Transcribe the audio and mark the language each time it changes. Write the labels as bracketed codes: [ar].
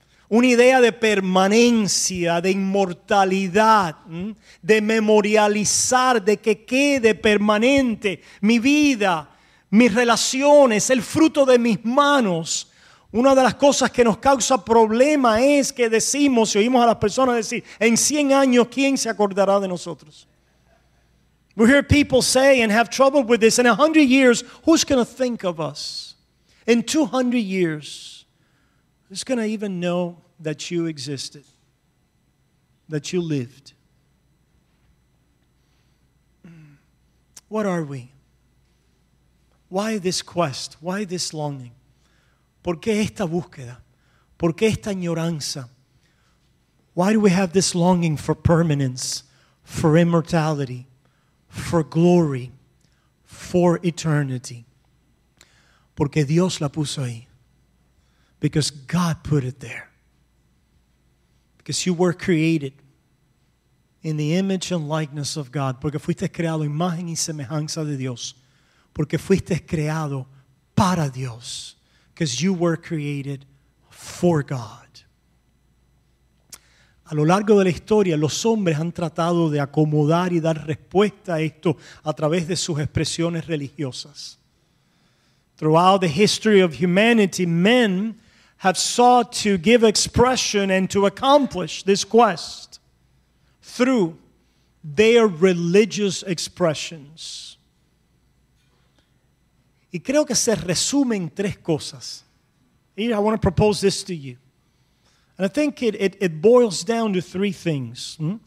[es] Una idea de permanencia, de inmortalidad, de memorializar, de que quede permanente mi vida, mis relaciones, el fruto de mis manos. Una de las cosas que nos causa problema es que decimos, y oímos a las personas decir, en 100 años, ¿quién se acordará de nosotros? [en] We hear people say and have trouble with this, in 100 years, who's going to think of us? In 200 years, who's going to even know that you existed, that you lived? What are we? Why this quest? Why this longing? [es] ¿Por qué esta búsqueda? ¿Por qué esta añoranza? [en] Why do we have this longing for permanence, for immortality, for glory, for eternity? [es] Porque Dios la puso ahí. [en] Because God put it there. Because you were created in the image and likeness of God. [es] Porque fuiste creado imagen y semejanza de Dios. Porque fuiste creado para Dios. [en] Because you were created for God. [es] A lo largo de la historia, los hombres han tratado de acomodar y dar respuesta a esto a través de sus expresiones religiosas. [en] Throughout the history of humanity, men have sought to give expression and to accomplish this quest through their religious expressions. [es] Y creo que se resume en tres cosas. [en] Here, I want to propose this to you. And I think it boils down to three things.